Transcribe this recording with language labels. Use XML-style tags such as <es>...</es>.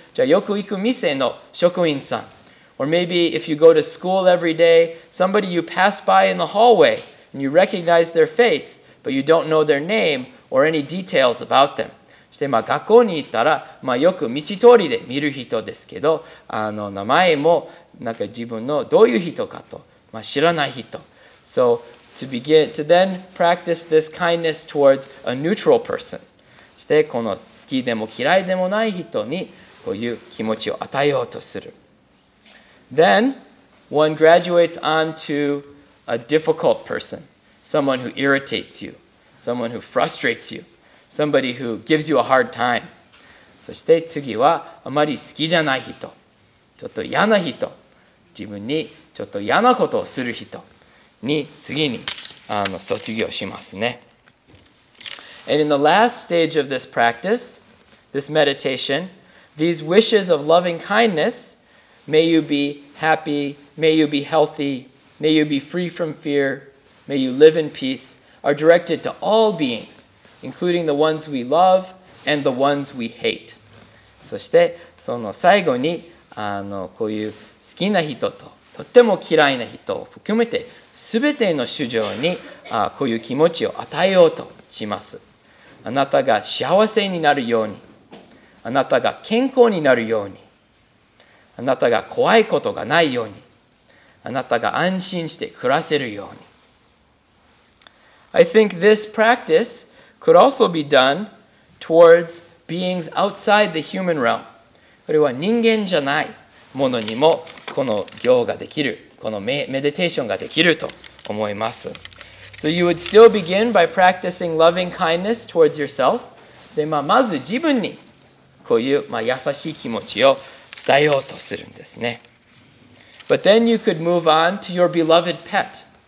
<ja>じゃあよく行く店の職員さん。</ja> <en>Or maybe if you go to school every day, somebody you pass by in the hallway and you recognize their face, but you don't know their name. Or any details about them.</en> <ja>そしてまあ学校に行ったら、まあ、よく道通りで見る人ですけど名前もなんか自分のどういう人かと、まあ、知らない人。</ja> <en>So to begin to then practice this kindness towards a neutral person.</en> <ja>そしてこの好きでも嫌いでもない人にこういう気持ちを与えようとする。</ja> <en>Then one graduates on to a difficult person, someone who irritates you. Someone who frustrates you. Somebody who gives you a hard time.</en> <ja>そして次はあまり好きじゃない人。ちょっと嫌な人。自分にちょっと嫌なことをする人に次に卒業しますね。</ja> <en>And in the last stage of this practice, this meditation, these wishes of loving kindness, may you be happy, may you be healthy, may you be free from fear, may you live in peace,are directed to all beings, including the ones we love and the ones we hate.</en> <ja>そしてその最後にこういう好きな人ととっても嫌いな人を含めて全ての主情にこういう気持ちを与えようとします。あなたが幸せになるように、あなたが健康になるように、あなたが怖いことがないように、あなたが安心して暮らせるように。</ja> <en>I think this practice could also be done towards beings outside the human realm.</en> <ja>これは人間じゃないものにもこの行ができる、このメディテーションができると思います。</ja> <en>So you would still begin by practicing loving kindness towards yourself.</en> <ja>で、まあ、まず自分にこういう、まあ、優しい気持ちを伝えようとするんですね。</ja> <en>But then you could move on to your beloved pet.</en>